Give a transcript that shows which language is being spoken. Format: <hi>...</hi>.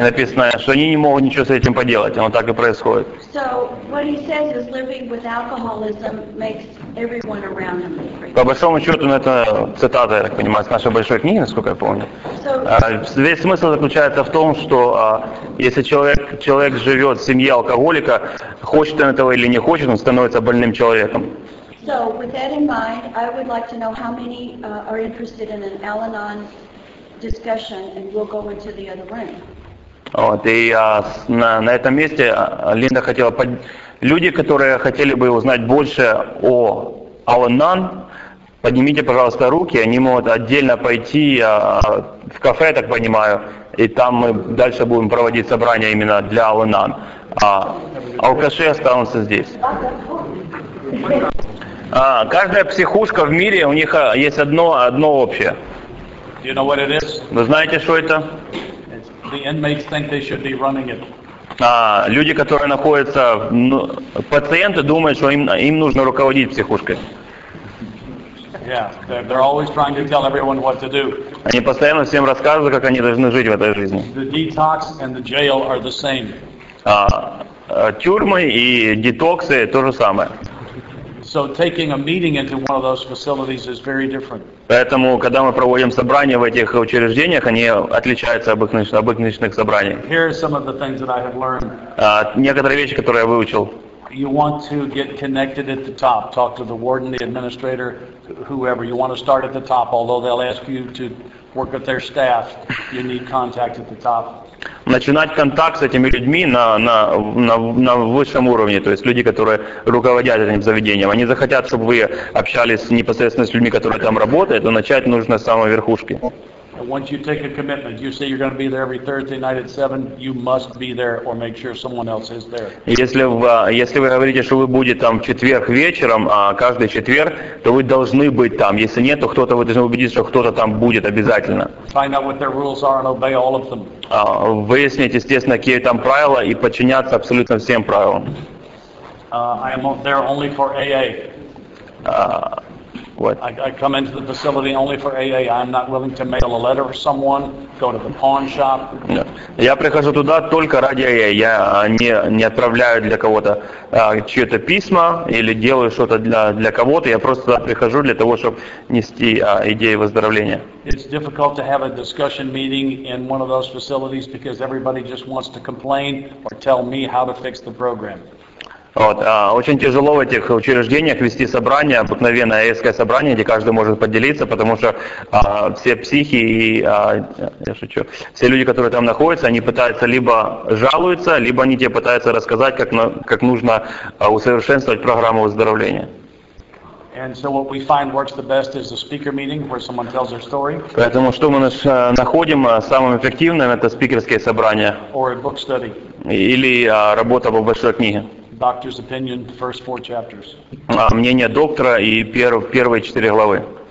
<ru>Написано, что они не могут ничего с этим поделать. Оно так и происходит.</ru> <en>So what he says is living with alcoholism makes everyone around him free.</en> <ru>По большому счету, это цитата, я так понимаю, с нашей большой книги, насколько я помню.</ru> <en>So,</en> <ru>весь смысл заключается в том, что если человек живет в семье алкоголика, хочет он этого или не хочет, он становится больным человеком.</ru> <en>So, with that in mind, I would like to know how many are interested in an Al-Anon discussion, and we'll go into the other room.</en> <ru>Вот, и на этом месте Линда хотела... Люди, которые хотели бы узнать больше о Al-Anon, поднимите, пожалуйста, руки, они могут отдельно пойти в кафе, я так понимаю, и там мы дальше будем проводить собрания именно для Al-Anon. Алкаши останутся здесь. Каждая психушка в мире, у них есть одно общее.</ru> <en>Do you know what it is?</en> <ru>Вы знаете, что это?</ru> <en>The inmates think they should be running it.</en> <ru>Люди, которые находятся, пациенты думают, что им нужно руководить психушкой.</ru> <en>Yeah, they're always trying to tell everyone what to do.</en> <ru>Они постоянно всем рассказывают, как они должны жить в этой жизни.</ru> <en>The detox and the jail are the same.</en> <ru>Тюрьмы и детоксы то же самое.</ru> <en>So taking a meeting into one of those facilities is very different.</en> <ru>Поэтому, когда мы проводим собрания в этих учреждениях, они отличаются от обычных собраний.</ru> <en>Here are some of the things that I have learned.</en> <ru>Некоторые вещи, которые я выучил.</ru> <en>You want to get connected at the top. Talk to the warden, the administrator, whoever. You want to start at the top, although they'll ask you to work with their staff. You need contact at the top.</en> <ru>Начинать контакт с этими людьми на высшем уровне, то есть люди, которые руководят этим заведением. Они захотят, чтобы вы общались непосредственно с людьми, которые там работают, но начать нужно с самой верхушки.</ru> <en>Once you take a commitment, you say you're going to be there every Thursday night at 7, you must be there or make sure someone else is there.</en> <ru>Если вы говорите, что вы будете там в четверг вечером, а каждый четверг, то вы должны быть там. Если нет, то кто-то, вы должны убедиться, что кто-то там будет обязательно.</ru> <en>Find out what their rules are and obey all of them.</en> <ru>Выяснить, естественно, какие там правила и подчиняться абсолютно всем правилам.</ru> <en>I am there only for AA. What? I come into the facility only for AA. I'm not willing to mail a letter for someone, go to the pawn shop.</en> <ru>Я прихожу туда только ради AA. Я не отправляю для кого-то чьё-то письма или делаю что-то для кого-то. Я просто туда прихожу для того, чтобы нести идеи выздоровления.</ru> <en>It's difficult to have a discussion meeting in one of those facilities because everybody just wants to complain or tell me how to fix the program.</en> <ru>Вот, очень тяжело в этих учреждениях вести собрание, обыкновенное эйское собрание, где каждый может поделиться, потому что все психи и я шучу, все люди, которые там находятся, они пытаются либо жалуются, либо они тебе пытаются рассказать, как нужно усовершенствовать программу выздоровления.</ru> <en>And so what we find works the best is a speaker meeting where someone tells their story.</en> <ru>Поэтому что мы находим самым эффективным, это спикерские собрания.</ru> <en>Or a book study.</en> <ru>Или работа по большой книге.</ru> <en>Doctor's opinion, first four chapters.</en> <ru>Мнение доктора и первые четыре главы.</ru>